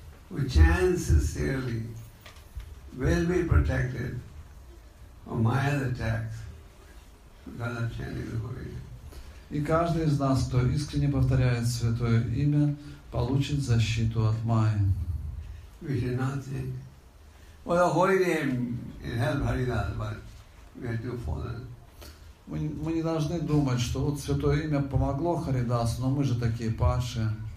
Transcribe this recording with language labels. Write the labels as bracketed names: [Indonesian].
[English] We chant sincerely, will be protected from Maya's attacks because of chanting the Holy Name. [Russian] И каждый из нас, кто искренне повторяет Святое Имя, получит защиту от Майи. [English] We should not think, well, the Holy Name it helps Haridas, but we are too fallen. [Russian] Мы не должны думать, что вот Святое Имя помогло Харидасу, но мы же такие падшие.